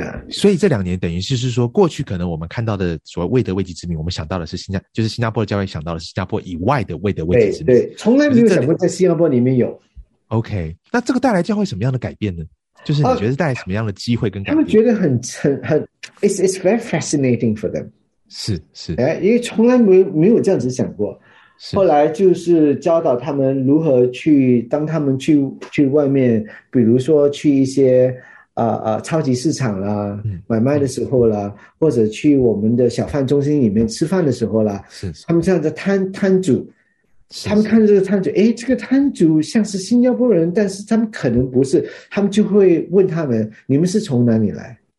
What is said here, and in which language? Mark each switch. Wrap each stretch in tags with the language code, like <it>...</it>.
<zh>所以这两年等于是说，过去可能我们看到的所谓未得未及之名，我们想到的是就是新加坡的教会想到的是新加坡以外的未得未及之名。对，从来没有想过在新加坡里面有。 OK， 那这个带来教会什么样的改变呢？就是你觉得带来什么样的机会跟改变？他们觉得很</zh> <en>it's very fascinating for them。</en> <zh>是是，因为从来没有这样子想过。后来就是教导他们如何去，当他们去外面，比如说去一些超级市场啦，买卖的时候啦，或者去我们的小贩中心里面吃饭的时候啦，他们这样的摊主，他们看这个摊主，哎，这个摊主像是新加坡人，但是他们可能不是，他们就会问他们，你们是从哪里来？</zh>